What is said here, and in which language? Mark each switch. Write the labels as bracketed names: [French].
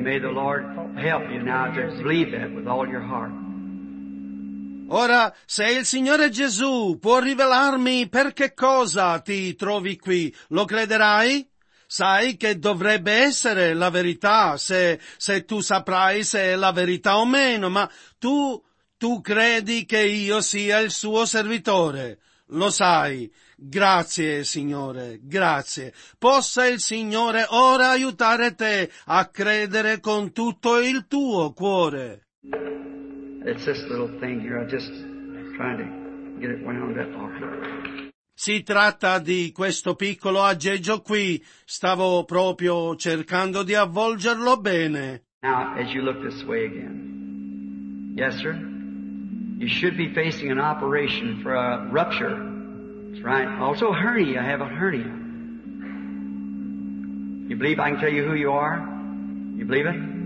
[English] May the Lord help you now to believe that with all your heart. [Italian] Ora, se il Signore Gesù può rivelarmi per che cosa ti trovi qui, lo crederai? Sai che dovrebbe essere la verità, se tu saprai se è la verità o meno, ma tu credi che io sia il suo servitore. Lo sai. Grazie, Signore, grazie. Possa il Signore ora aiutare te a credere con tutto il tuo cuore. [English] It's this little thing here. I'm just trying to get it wound up. [Italian] Si tratta di questo piccolo aggeggio qui. Stavo proprio cercando di avvolgerlo bene. [English] Now, as you look this way again. Yes, sir? You should be facing an operation for a rupture. That's right. Also a hernia. I have a hernia. You believe I can tell you who you are? You believe it?